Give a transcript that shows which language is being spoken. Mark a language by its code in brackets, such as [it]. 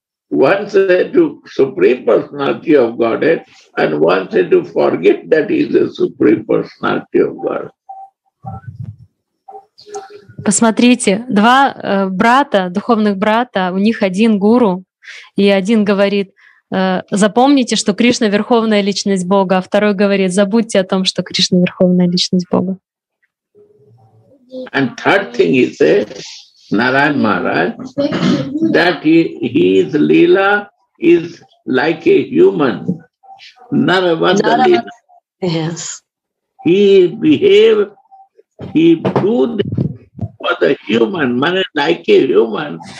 [en] One said to Supreme Personality of Godhead, and one said to forget that he is the Supreme Personality of God. [ru] Посмотрите, два брата, духовных брата, у них один гуру, и один говорит. Запомните, что Кришна — Верховная Личность Бога, а второй говорит, забудьте о том, что Кришна — Верховная Личность Бога. [en] And third thing he said, Narayan Maharaj, that his Leela is like a human. Narayan Leela. Yes. He behaves, he does for the human, man, like a human.